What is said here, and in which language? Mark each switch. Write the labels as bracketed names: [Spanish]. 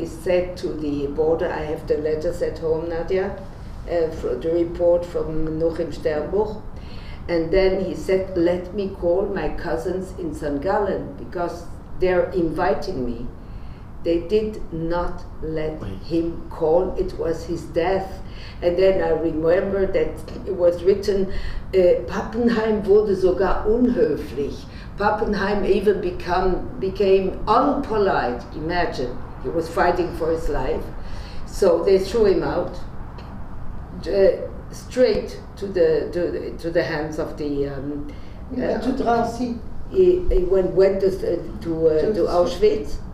[English] He said to the border, I have the letters at home, Nadia, for the report from Nochim Sternbuch. And then he said, let me call my cousins in St. Gallen because they're inviting me. They did not let him call. It was his death. And then I remember that it was written, [German] Pappenheim wurde sogar unhöflich. [English] Pappenheim even became unpolite. Imagine, he was fighting for his life. So they threw him out straight to the hands of the... to Drancy. He went to Auschwitz.